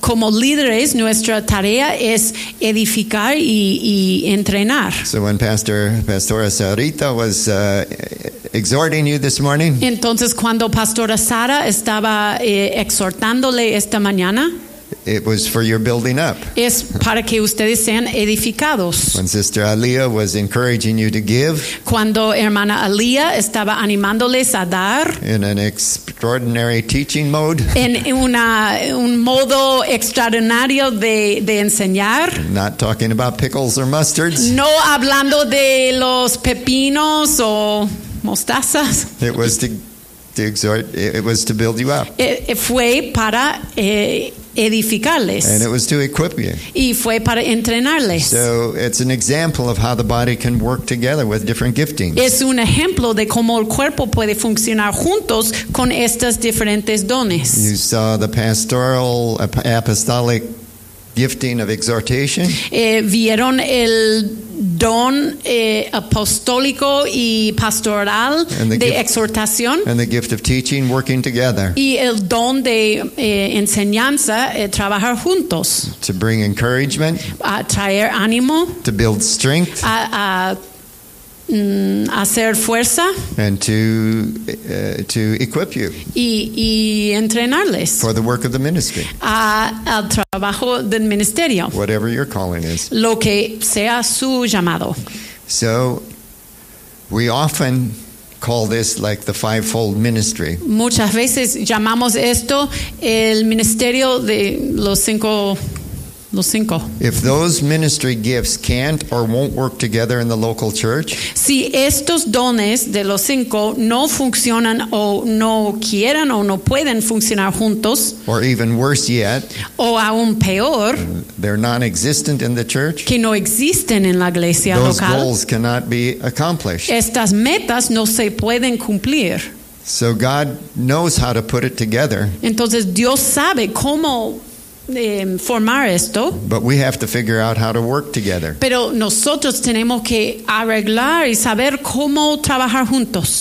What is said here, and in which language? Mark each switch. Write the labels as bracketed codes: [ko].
[es] Como líderes, nuestra tarea es edificar y entrenar. [en] So when Pastora Sarita was exhorting you this morning. [es] Entonces cuando Pastora Sara estaba exhortándole esta mañana. [en] It was for your building up. [es] Es para que ustedes sean edificados. [en] When Sister Aaliyah was encouraging you to give. [es] Cuando hermana Aaliyah estaba animándoles a dar. [en] In an extraordinary teaching mode. [es] En un modo extraordinario de enseñar. [en] Not talking about pickles or mustards. [es] No hablando de los pepinos o mostazas. [en] It was to exhort. It was to build you up. [es] Fue para edificarles. [en] And it was to equip you. [es] Y fue para entrenarles. [en] So it's an example of how the body can work together with different giftings. [es] Es un ejemplo de cómo el cuerpo puede funcionar juntos con estas diferentes dones. [en] You saw the pastoral apostolic gifting of exhortation. [es] Vieron el don apostólico y pastoral de exhortación. [en] And the gift of teaching working together. [es] Y el don de enseñanza, trabajar juntos. [en] To bring encouragement. [es] A traer ánimo. [en] To build strength. [es] A hacer fuerza, [en] and to equip you [es] y entrenarles [en] for the work of the ministry, [es] al trabajo del ministerio, [en] whatever your calling is, [es] lo que sea su llamado. [en] So we often call this like the fivefold ministry. [es] Muchas veces llamamos esto el ministerio de los cinco. [en] If those ministry gifts can't or won't work together in the local church, [es] si estos dones de los cinco no funcionan o no quieran o no pueden funcionar juntos, [en] or even worse yet, [es] o aún peor, [en] they're non-existent in the church, [es] que no existen en la iglesia [en] those local, goals cannot be accomplished. [es] Estas metas no se pueden cumplir. [en] So God knows how to put it together. [es] Entonces Dios sabe cómo formar esto. [en] But we have to figure out how to work together. [es] Pero nosotros tenemos que arreglar y saber cómo trabajar juntos.